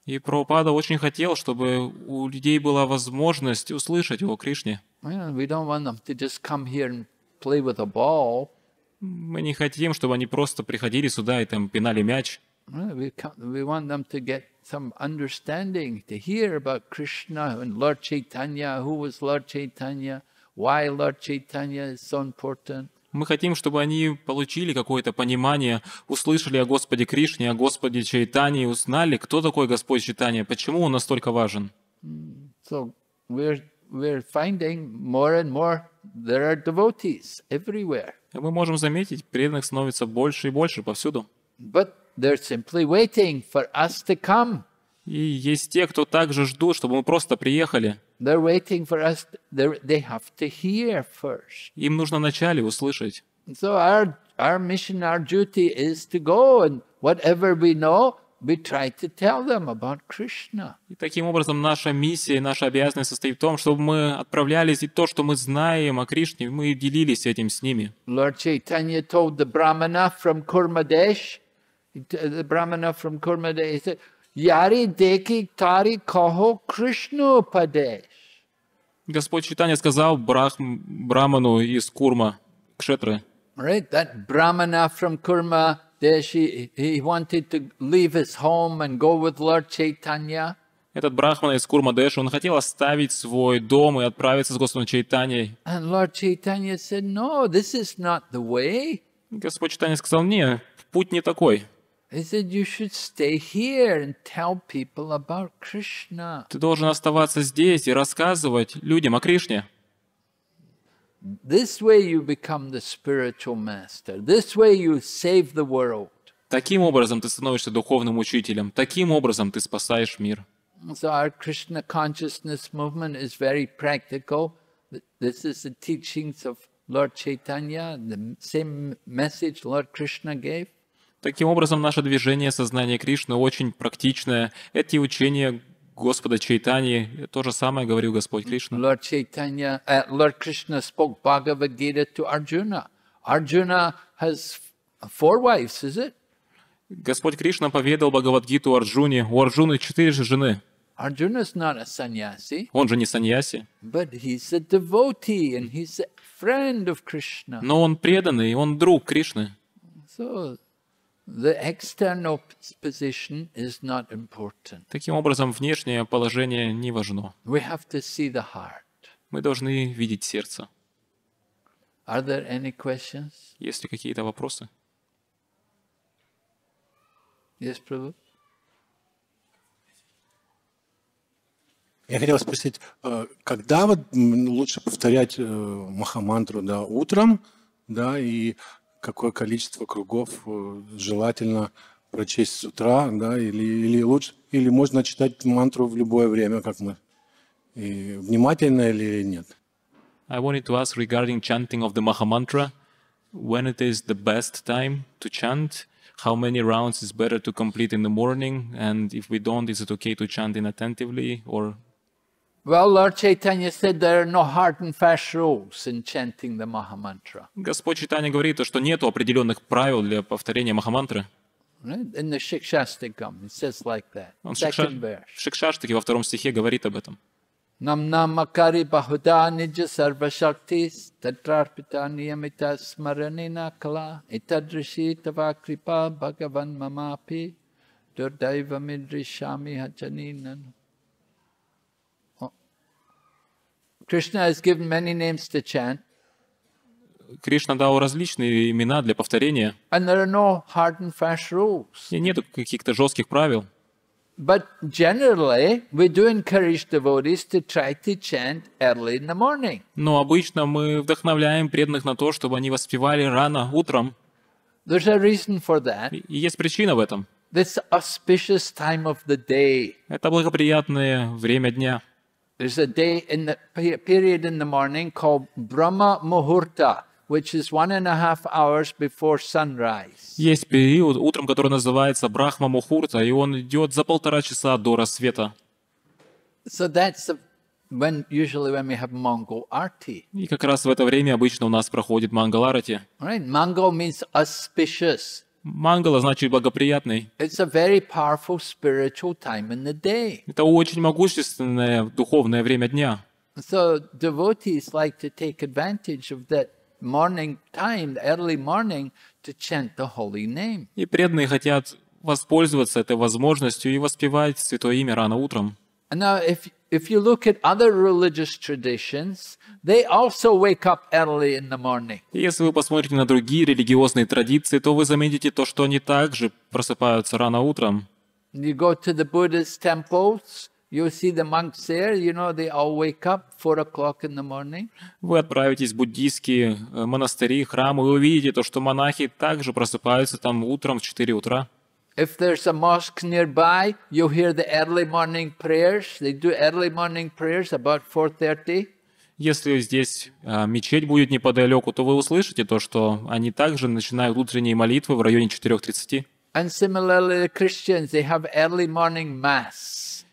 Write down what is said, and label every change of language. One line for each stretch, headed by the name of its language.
Russian: И Прабхупада очень хотел, чтобы у людей была возможность услышать о Кришне.
English: We don't want them to just come here and play with a ball.
Russian: Мы не хотим, чтобы они просто приходили сюда и там пинали мяч.
English: We want them to get some understanding, to hear about Krishna and Lord Chaitanya, who was Lord Chaitanya, why Lord Chaitanya is so important.
Russian: Мы хотим, чтобы они получили какое-то понимание, услышали о Господе Кришне, о Господе Чайтане, узнали, кто такой Господь Чайтанья, почему он настолько важен.
English: So we're finding more and more there are devotees everywhere.
Russian: Мы можем заметить, преданных становится больше и больше повсюду.
English: But they're simply waiting for us to come.
Russian: И есть те, кто также ждут, чтобы мы просто приехали.
English: They're waiting for us. They have to hear first.
Russian: Им нужно вначале услышать.
English: So our mission, our duty is to go and whatever we know, we try to tell them about Krishna.
Russian: И таким образом наша миссия, наша обязанность состоит в том, чтобы мы отправлялись и то, что мы знаем о Кришне, мы делились этим с ними.
English: Lord Chaitanya told the Brahmana from Kurmadesh. The Brahmana from Kurmadesh said.
Bangla: Яри деки тари кого Кришну упадеш.
Russian: Господь Чайтанья сказал Брахману из Курма, кшетры.
English: Right, that Brahmana from Kurma, he wanted to leave his home and go with Lord Chaitanya.
Russian: Этот Брахмана из Курма Деши, он хотел оставить свой дом и отправиться с Господом Чайтаньей.
English: And Lord Chaitanya said, no, this is not the way.
Russian: Господь Чайтанья сказал, не, путь не такой.
English: He said, "You should stay here and tell people about Krishna."
Russian: Ты должен оставаться здесь и рассказывать людям о Кришне.
English: This way you become the spiritual master. This way you save the world.
Russian: Таким образом ты становишься духовным учителем. Таким образом ты спасаешь мир.
English: So our Krishna consciousness movement is very practical. This is the teachings of Lord Chaitanya, the same message Lord Krishna gave.
Russian: Таким образом, наше движение сознания Кришны очень практичное. Эти учения Господа Чайтаньи, то же самое говорил Господь Кришна.
English: Lord Chaitanya, Lord Krishna spoke Bhagavad Gita to Arjuna. Arjuna has four wives, is it?
Russian: Господь Кришна поведал Бхагавад Гиту Арджуне. У Арджуны четыре же жены.
English: Arjuna is not a sannyasi.
Russian: Он же не саньяси.
English: But he's a devotee and he's a friend of Krishna.
Russian: Но он преданный, он друг Кришны.
English: So The external position is not important.
Russian: Таким образом, внешнее положение не важно.
English: We have to see the heart.
Russian: Мы должны видеть сердце.
English: Are there any questions?
Russian: Есть ли какие-то вопросы?
English: Yes, Prabhu.
Russian: Я хотел спросить, когда вот лучше повторять махамантру, да, утром, да, и какое количество кругов желательно прочесть с утра, да, или лучше, или можно читать мантру в любое время, как мы, и внимательно или нет?
English: I wanted to ask regarding chanting of the Mahamantra, when it is the best time to chant, how many rounds is better to complete in the morning, and if we don't, is it okay to chant inattentively, or... Well, Lord Chaitanya said there are no hard and fast rules in chanting the Mahamantra.
Russian: Господь Чайтанья говорит, что нету определенных правил для повторения Махамантры.
English: In the Шикшаштикам, it says like that.
Russian: Он в Шикшаштике во втором стихе говорит об этом.
Sanskrit: Нам намакари бахуда нидже сарвашактис татрарпитани ямитас маранина кла итадриши тва крипа бхагаван мамапи дурдайва мидришами хачанинану.
English: Krishna has given many names to chant.
Russian: Кришна дал различные имена для повторения.
English: And there are no hard and fast rules.
Russian: И нету каких-то жестких правил.
English: But generally, we do encourage devotees to try to chant early in the morning.
Russian: Но обычно мы вдохновляем преданных на то, чтобы они воспевали рано утром.
English: There's a reason for that.
Russian: И есть причина в этом.
English: This auspicious time of the day.
Russian: Это благоприятное время дня.
English: There's a day in the period in the morning called Brahma Muhurta, which is 1.5 hours before sunrise.
Russian: Есть период утром, который называется Брахма Мухурта, и он идет за 1.5 часа до рассвета.
English: So that's when usually when we have Mangal Arti.
Russian: И как раз в это время обычно у нас проходит Мангал Арати.
English: Right, Mangal means auspicious.
Russian: Мангала значит благоприятный.
English: It's a very powerful spiritual time in the day.
Russian: Это очень могущественное духовное время дня.
English: So devotees like to take advantage of that morning time, early morning, to chant the holy name.
Russian: И преданные хотят воспользоваться этой возможностью и воспевать святое имя рано утром.
English: Now, if you look at other religious traditions, they also wake up early in the morning.
Russian: Если вы посмотрите на другие религиозные традиции, то вы заметите то, что они также просыпаются рано утром.
English: You go to the Buddhist temples, you see the monks there, you know, they all wake up 4 o'clock in the morning.
Russian: Вы отправитесь в буддийские монастыри, храмы, и увидите то, что монахи также просыпаются там утром в 4 утра.
English: If there's a mosque nearby, you hear the early morning prayers. They do early morning prayers about 4:30.
Russian: Если здесь мечеть будет неподалеку, то вы услышите то, что они также начинают утренние молитвы в районе 4:30.
English: And similarly, the Christians, they have early morning mass.